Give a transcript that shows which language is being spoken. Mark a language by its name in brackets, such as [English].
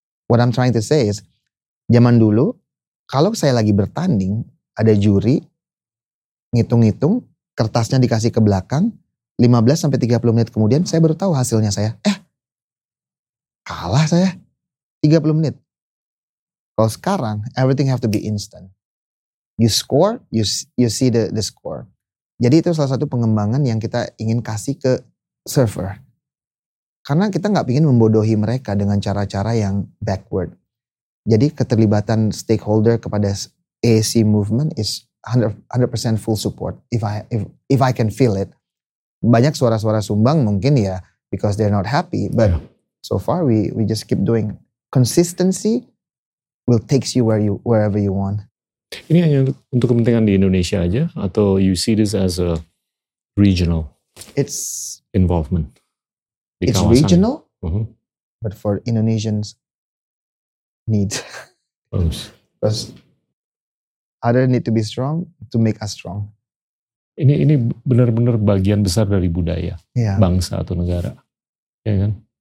[English] What I'm trying to say is, [Indonesian] zaman dulu, kalau saya lagi bertanding, ada juri, ngitung-ngitung, kertasnya dikasih ke belakang, 15-30 menit kemudian, saya baru tahu hasilnya saya. Kalah saya. 30 menit. Kalau sekarang, [English] everything have to be instant. You score, you see the score. [Indonesian] Jadi itu salah satu pengembangan yang kita ingin kasih ke server. Karena kita gak ingin membodohi mereka dengan cara-cara yang backward. Jadi keterlibatan stakeholder kepada AAC movement [English] is 100% full support. If I can feel it. [Indonesian] Banyak suara-suara sumbang mungkin ya, [English] because they're not happy. But so far we just keep doing. Consistency will takes you wherever you want. [Indonesian] Ini hanya untuk kepentingan di Indonesia aja atau [English] you see this as a regional? It's involvement. It's regional, but for Indonesians need. Because other need to be strong to make us strong. [Indonesian] Ini benar-benar bagian besar dari budaya [English] yeah. [Indonesian] bangsa atau negara, ya kan?